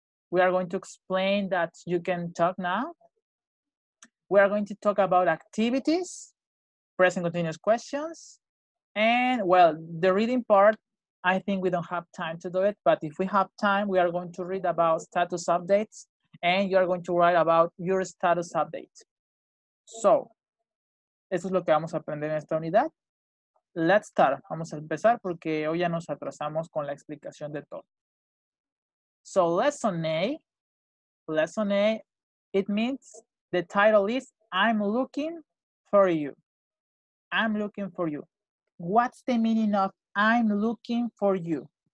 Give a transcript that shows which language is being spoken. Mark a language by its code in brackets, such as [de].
[en] We are going to explain that you can talk now. We are going to talk about activities, present continuous questions, and well, the reading part, I think we don't have time to do it, but if we have time, we are going to read about status updates and you are going to write about your status update. [es] So, eso es lo que vamos a aprender en esta unidad. [en] Let's start. [es] Vamos a empezar porque hoy ya nos atrasamos con la explicación de todo. [en] So, lesson A, it means the title is I'm looking for you. I'm looking for you. What's the meaning of I'm looking for you?